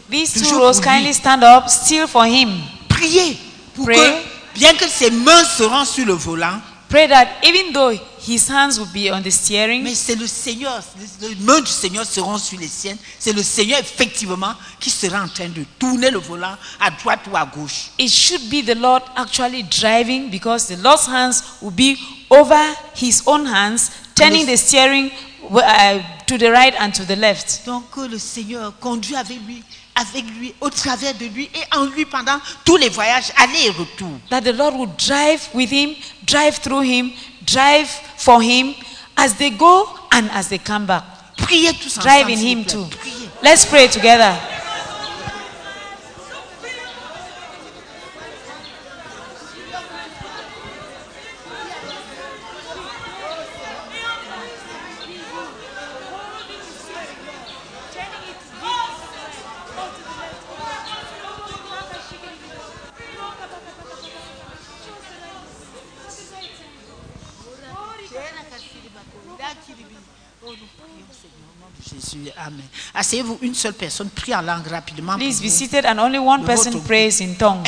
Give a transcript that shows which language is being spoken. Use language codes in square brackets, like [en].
[en] These two rows, kindly stand up, still for him. [fr] Priez pour que, bien que ses mains seront sur le volant, [en] pray that even though his hands will be on the steering, [fr] mais c'est le Seigneur, les mains du Seigneur seront sur les siennes. C'est le Seigneur, effectivement, qui sera en train de tourner le volant à droite ou à gauche. [en] It should be the Lord actually driving because the Lord's hands will be over his own hands, turning the steering to the right and to the left. [fr] Donc que le Seigneur conduit avec lui, au travers de lui et en lui pendant tous les voyages, aller et retour. [en] That the Lord will drive with him, drive through him, drive for him as they go and as they come back. [fr] Priez tous ensemble. [en] Drive in him too. Let's pray together. Amen. [fr] Asseyez-vous, une seule personne prie en langue rapidement. [en] Please be seated and only one person prays in tongues.